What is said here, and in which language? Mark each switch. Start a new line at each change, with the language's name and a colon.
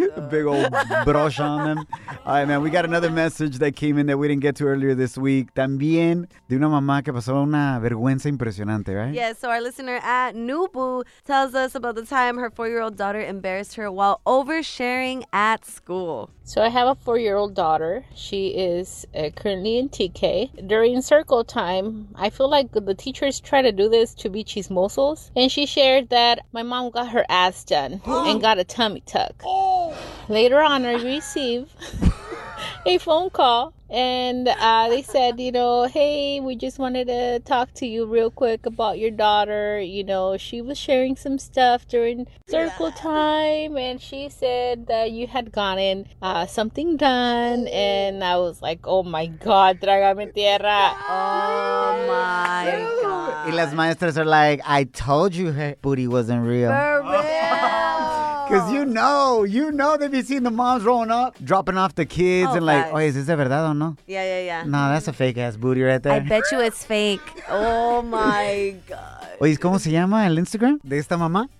English: Big old brush on them. All right, man, we got another message that came in that we didn't get to earlier this week.
Spanish: También de una mamá que pasó una vergüenza impresionante, right?
English: Yeah, so our listener at Nubu tells us about the time her 4-year-old daughter embarrassed her while oversharing at school. So I have a 4-year-old daughter. She is currently in TK. During circle time, I feel like the teachers try to do this to be chismosos. And she shared that my mom got her ass done and got a tummy tuck. Later on, I receive a phone call, and they said, you know, hey, we just wanted to talk to you real quick about your daughter. You know, she was sharing some stuff during circle time, and she said that you had gotten something done. And I was like, oh, my God,
Spanish: trágame tierra.
English: Oh, my God.
Spanish: Y las maestras
English: are like, I told you her booty wasn't real. Because you know, they've been seeing the moms rolling up, dropping off the kids, and like,
Spanish: oye, ¿es de verdad o no?
English: Yeah. No, that's a fake-ass booty right there. I bet you it's fake. Oh, my God.
Spanish: Oye, ¿cómo se llama el Instagram de esta mamá?